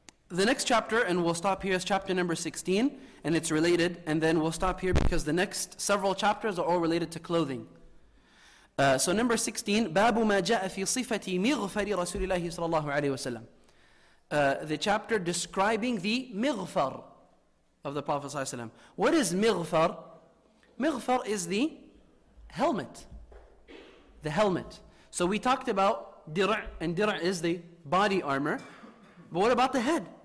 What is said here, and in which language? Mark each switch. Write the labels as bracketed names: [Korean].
[English] The next chapter, and we'll stop here, is chapter number 16, and it's related, and then we'll stop here because the next several chapters are all related to clothing. So number 16, [Arabic] بَابُ مَا جَاءَ فِي صِفَةِ مِغْفَرِ رَسُولِ اللَّهِ صَلَى اللَّهُ عَلَيْهِ وَسَلَّمَ. [English] The chapter describing the مِغْفَر of the Prophet [Arabic] صلى الله عليه وسلم. [English] What is مِغْفَر? مِغْفَر is the helmet. The helmet. So we talked about dir', and dir' is the body armor. But what about the head?